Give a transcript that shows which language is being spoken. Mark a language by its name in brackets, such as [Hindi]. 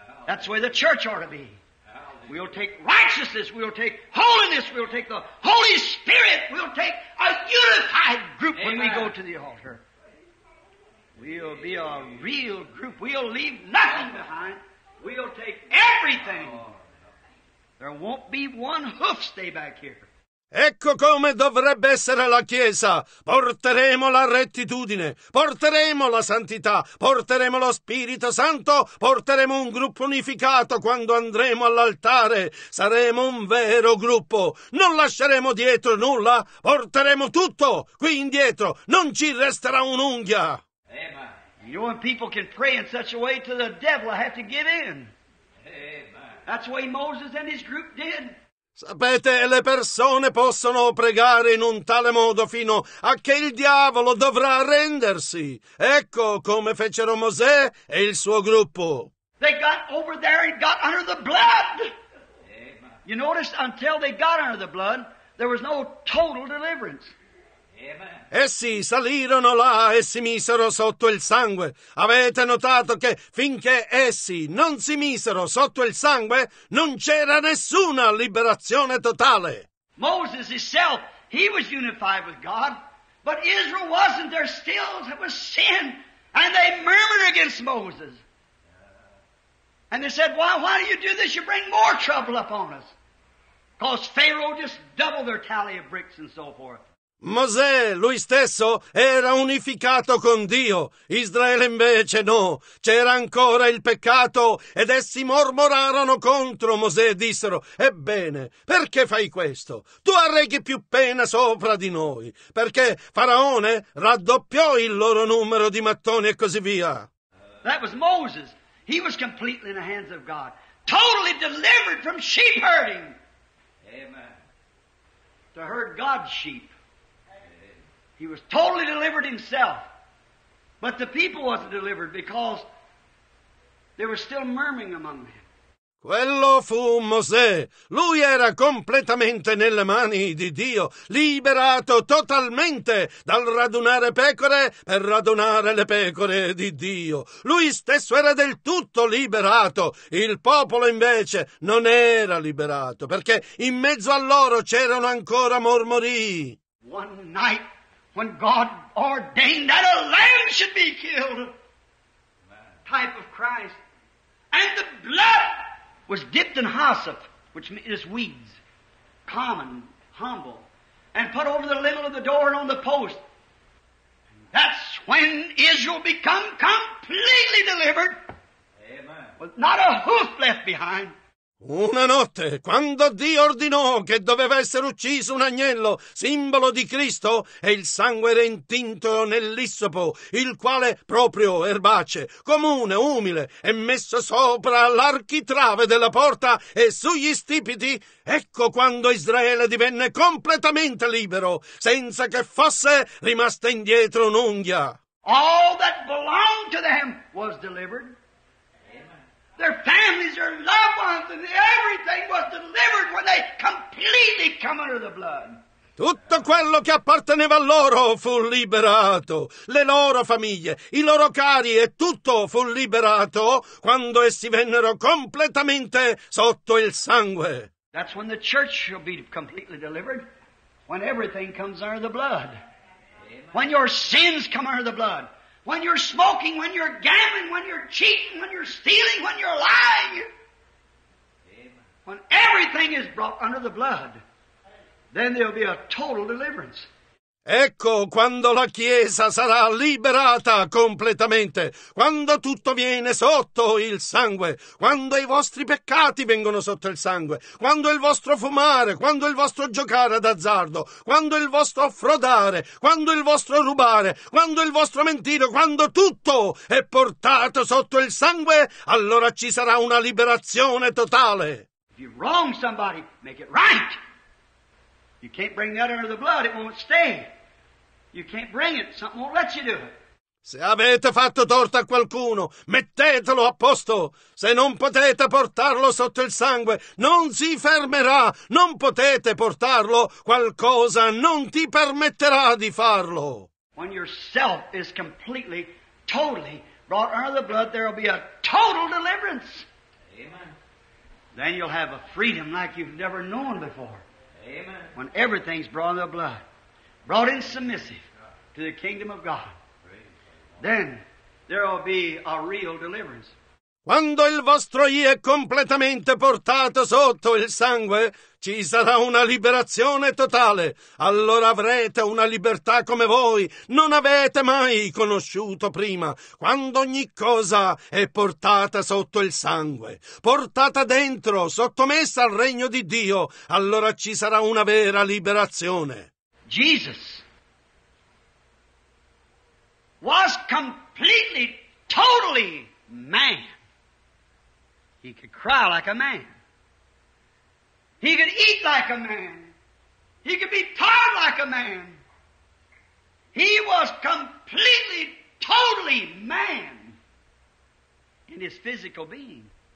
[English] That's where the church ought to be. We'll take righteousness, we'll take holiness, we'll take the Holy Spirit, we'll take a unified group. Amen. When we go to the altar. We'll be a real group. We'll leave nothing behind. We'll take everything. There won't be one hoof stay back here. [Italian] Ecco come dovrebbe essere la Chiesa. Porteremo la rettitudine, porteremo la santità, porteremo lo Spirito Santo, porteremo un gruppo unificato quando andremo all'altare. Saremo un vero gruppo. Non lasceremo dietro nulla, porteremo tutto qui indietro. Non ci resterà un'unghia. Amen. [English] You know when people can pray in such a way to the devil, I have to give in. Amen. That's the way Moses and his group did. [Italian] Sapete, le persone possono pregare in un tale modo fino a che il diavolo dovrà arrendersi. Ecco come fecero Mosè e il suo gruppo. [English] They got over there and got under the blood. Amen. You notice, until they got under the blood, there was no total deliverance. [Italian] Essi salirono là e si misero sotto il sangue. Avete notato che finché essi non si misero sotto il sangue, non c'era nessuna liberazione totale. [English] Moses himself, he was unified with God, but Israel wasn't. There still was sin, and they murmured against Moses. And they said, why do you do this? You bring more trouble upon us. Because Pharaoh just doubled their tally of bricks and so forth. [Italian] Mosè, lui stesso, era unificato con Dio. Israele invece no. C'era ancora il peccato ed essi mormorarono contro Mosè e dissero, ebbene, perché fai questo? Tu arrechi più pena sopra di noi. Perché Faraone raddoppiò il loro numero di mattoni e così via. [English] That was Moses. He was completely in the hands of God. Totally delivered from sheep herding. Amen. To herd God's sheep. He was totally delivered himself. But the people wasn't delivered because they were still murmuring among them. [Italian] Quello fu Mosè. Lui era completamente nelle mani di Dio, liberato totalmente dal radunare pecore per radunare le pecore di Dio. Lui stesso era del tutto liberato. Il popolo invece non era liberato, perché in mezzo a loro c'erano ancora mormori. [English] One night when God ordained that a lamb should be killed, type of Christ, and the blood was dipped in hyssop, which is weeds, common, humble, and put over the lintel of the door and on the post. And that's when Israel become completely delivered. Amen. With not a hoof left behind. [Italian] Una notte, quando Dio ordinò che doveva essere ucciso un agnello, simbolo di Cristo, e il sangue era intinto nell'issopo, il quale proprio erbace, comune, umile, è messo sopra l'architrave della porta e sugli stipiti, ecco quando Israele divenne completamente libero, senza che fosse rimasta indietro un'unghia. [English] All that belonged to them was delivered. Their families, their loved ones, and everything was delivered when they completely come under the blood. [Italian] Tutto quello che apparteneva a loro fu liberato. Le loro famiglie, i loro cari e tutto fu liberato quando essi vennero completamente sotto il sangue. [English] That's when the church shall be completely delivered, when everything comes under the blood. Amen. When your sins come under the blood. When you're smoking, when you're gambling, when you're cheating, when you're stealing, when you're lying. Amen. When everything is brought under the blood, then there'll be a total deliverance. [Italian] Ecco quando la Chiesa sarà liberata completamente, quando tutto viene sotto il sangue, quando i vostri peccati vengono sotto il sangue, quando il vostro fumare, quando il vostro giocare d'azzardo, quando il vostro frodare, quando il vostro rubare, quando il vostro mentire, quando tutto è portato sotto il sangue, allora ci sarà una liberazione totale. [English] If you wrong somebody, make it right. You can't bring that under the blood, it won't stay. You can't bring it, something won't let you do it. [Italian] Se avete fatto torto a qualcuno, mettetelo a posto. Se non potete portarlo sotto il sangue, non si fermerà. Non potete portarlo, qualcosa non ti permetterà di farlo. [English] When yourself is completely, totally brought under the blood, there will be a total deliverance. Amen. Then you'll have a freedom like you've never known before. Amen. When everything's brought in the blood, brought in submissive to the kingdom of God, then there will be a real deliverance. [Italian] Quando il vostro io è completamente portato sotto il sangue, ci sarà una liberazione totale. Allora avrete una libertà come voi non avete mai conosciuto prima. Quando ogni cosa è portata sotto il sangue, portata dentro, sottomessa al regno di Dio, allora ci sarà una vera liberazione. [English] Jesus was completely, totally man. He could cry like a man. He could eat like a man. He could be tired like a man. He was completely, totally man in his physical being.